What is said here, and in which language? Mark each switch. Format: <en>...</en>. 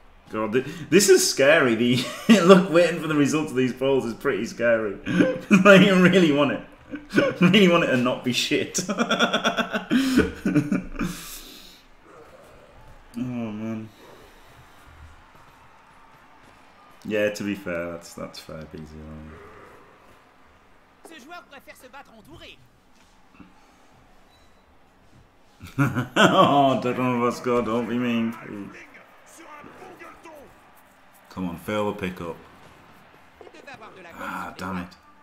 <en>God, this is scary. The look, waiting for the results of these polls is pretty scary. Like, you really want it. Really want it to not be shit. Oh man. Yeah, to be fair, that's fair, BZ.</en> <fr>Ce joueur préfère se battre entouré.</fr> <en>Oh, don't know what's going on. Don't be mean, please. Come on, fail the pickup. Ah, damn it.</en>